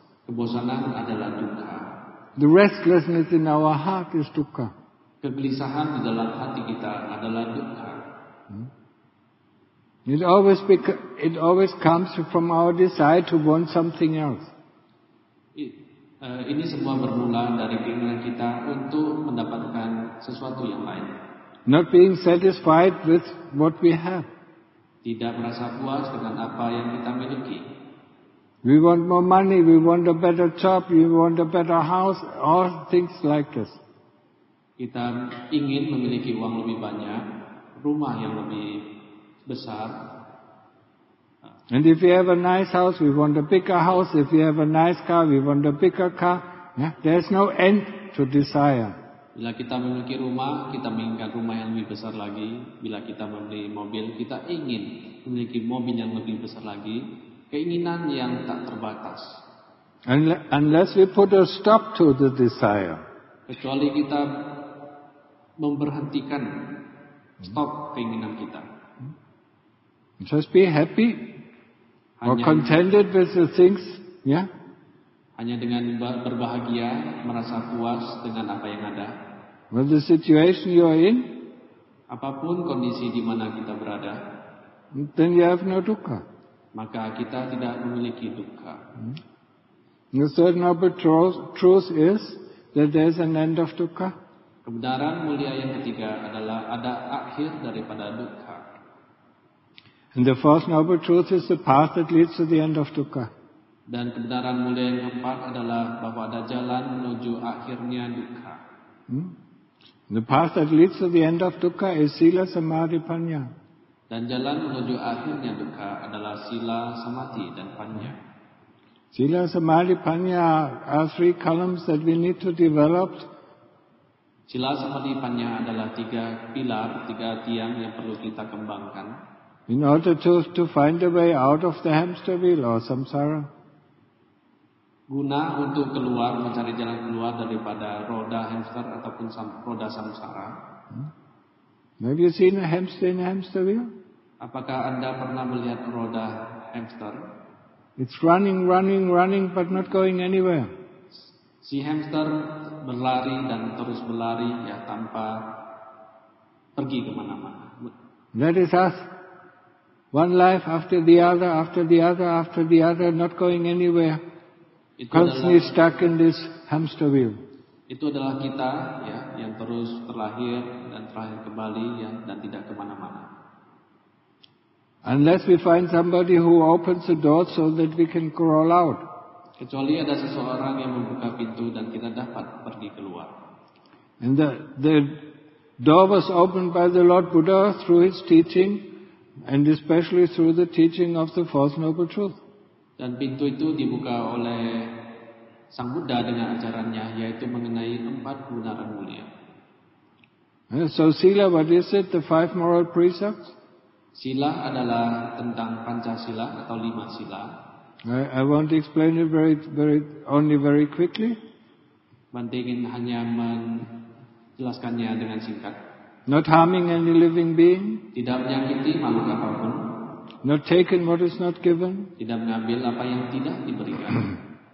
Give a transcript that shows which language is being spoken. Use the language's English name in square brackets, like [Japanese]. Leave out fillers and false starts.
[Indonesian] Kebosanan adalah dukkha. [English] The restlessness in our heart is dukkha. [Indonesian] Kegelisahan di dalam hati kita adalah dukkha. [English] It always comes from our desire to want something else. [Indonesian] Ini semua bermula dari keinginan kita untuk mendapatkan sesuatu yang lain. [English] Not being satisfied with what we have. [Indonesian] Tidak merasa puas dengan apa yang kita miliki. [English] We want more money, we want a better job, we want a better house, all things like this. [Indonesian] Kita ingin memiliki uang lebih banyak, rumah yang lebih besar. [English] And if we have a nice house, we want a bigger house. If we have a nice car, we want a bigger car. Yeah? There's no end to desire. [Indonesian] Bila kita memiliki rumah, kita menginginkan rumah yang lebih besar lagi. Bila kita membeli mobil, kita ingin memiliki mobil yang lebih besar lagi. Keinginan yang tak terbatas. [English] Unless we put a stop to the desire. [Indonesian] Kecuali kita memberhentikan, stop keinginan kita. [English] Just be happy. Or contented with the things, yeah? [Indonesian] Hanya dengan berbahagia, merasa puas dengan apa yang ada. [English] With the situation you are in, [Indonesian] apapun kondisi di mana kita berada, [English] then you have no dukkha. [Indonesian] Maka kita tidak memiliki dukkha. [English] The third noble truth is that there is an end of dukkha. [Indonesian] Kebenaran mulia yang ketiga adalah ada akhir daripada dukkha. [English] And the fourth noble truth is the path that leads to the end of dukkha. [Indonesian] Dan kebenaran mulia yang keempat adalah bahwa ada jalan menuju akhirnya dukkha. [English] The path that leads to the end of dukkha is sila samadhi panya. [Indonesian] Dan jalan menuju akhirnya dukkha adalah sila samadhi dan panya. [English] Sila samadhi panya are three columns that we need to develop. [Indonesian] Sila samadhi panya adalah tiga pilar, tiga tiang yang perlu kita kembangkan. [English] In order to find a way out of the hamster wheel or samsara. [Indonesian] Guna untuk keluar, mencari jalan keluar daripada roda hamster ataupun roda samsara. [English] Have you seen a hamster in a hamster wheel? [Indonesian] Apakah Anda pernah melihat roda hamster? [English] It's running, running, running, but not going anywhere. [Indonesian] Si hamster berlari dan terus berlari, ya, tanpa pergi kemana-mana. [English] That is us. One life after the other, after the other, after the other, not going anywhere. [Indonesian] Itu [English] constantly [Indonesian] adalah, [English] stuck in this hamster wheel. [Indonesian] Itu adalah kita, ya, yang terus terlahir dan terlahir kembali, ya, dan tidak kemana-mana. [English] Unless we find somebody who opens the door so that we can crawl out. [Indonesian] Kecuali ada seseorang yang membuka pintu dan kita dapat pergi keluar. [English] And the door was opened by the Lord Buddha through his teaching. And especially through the teaching of the Fourth Noble Truth. [Indonesian] Dan pintu itu dibuka oleh Sang Buddha dengan ajarannya, yaitu mengenai empat kebenaran mulia. [English] So sila, what is it? The five moral precepts? [Indonesian] Sila adalah tentang Pancasila atau lima sila. [English] I won't explain it very, very, only very quickly. [Indonesian] Mantingin hanya menjelaskannya dengan singkat. [English] Not harming any living being. [Indonesian] Tidak menyakiti makhluk apapun. [English] Not taking what is not given. [Indonesian] Tidak mengambil apa yang tidak diberikan.